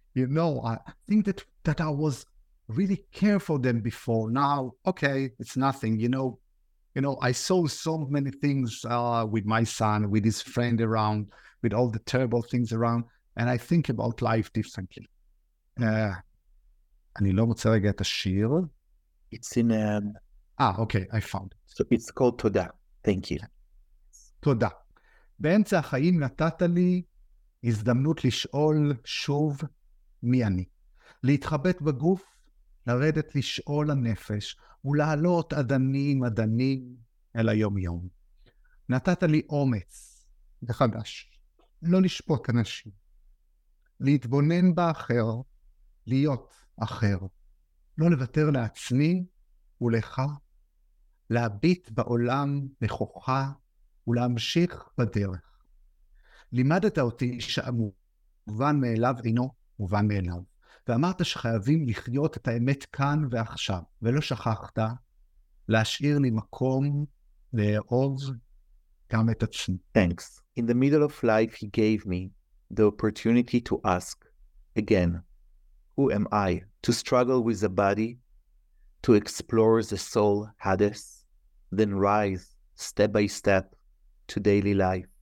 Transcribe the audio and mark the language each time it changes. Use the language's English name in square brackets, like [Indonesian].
[English] I think that I was really careful than before. Now, okay, it's nothing. I saw so many things with my son, with his friend around, with all the terrible things around. and I think about life differently. [Hebrew] אני לא רוצה להגיע את השיר. [English] It's in... Okay, I found it. So it's called [Hebrew] תודה. [English] Thank you. [Hebrew] תודה. באמצע החיים נתת לי הזדמנות לשאול שוב מי אני. להתחבט בגוף, לרדת לשאול הנפש, ולעלות אדנים אדנים אל היום יום. נתת לי אומץ, וחדש, לא לשפוט אנשים. להתבונן באחר, להיות אחר. לא לוותר לעצמי ולך. להביט בעולם בכוחה ולהמשיך בדרך. לימדת אותי שהמובן מאליו אינו מובן מאליו. ואמרת שחייבים לחיות את האמת כאן ועכשיו. ולא שכחת להשאיר לי מקום לאהוב גם את עצמי. [English] Thanks. In the middle of life he gave me the opportunity to ask again, who am I? To struggle with the body, to explore the soul, Hades, then rise step by step to daily life.